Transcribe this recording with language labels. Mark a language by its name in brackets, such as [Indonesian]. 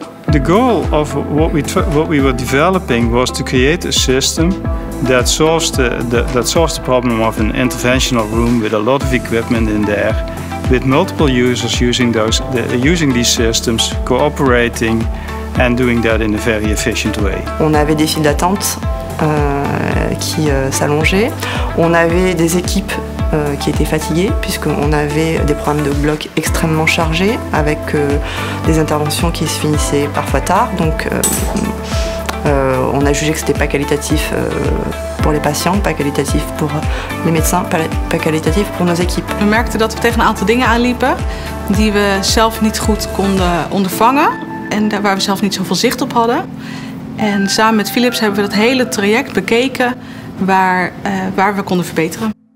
[English] The goal of what we were developing was to create a system that solves the problem of an interventional room with a lot of equipment in there, with multiple users using these systems, cooperating and doing that in a very efficient way. [French] On avait des files d'attente qui s'allongeaient. On avait des équipes qui étaient fatiguées, puisqu'on avait des programmes de blocs extrêmement chargés, avec des interventions qui se finissaient parfois tard. Donc on a jugé que c'était pas qualitatif pour les patients, pas qualitatif pour les médecins, pas qualitatif pour nos équipes. [Dutch] We merkten dat we tegen een aantal dingen aanliepen die we zelf niet goed konden ondervangen en waar we zelf niet zoveel zicht op hadden. En samen met Philips hebben we dat hele traject bekeken waar we konden verbeteren.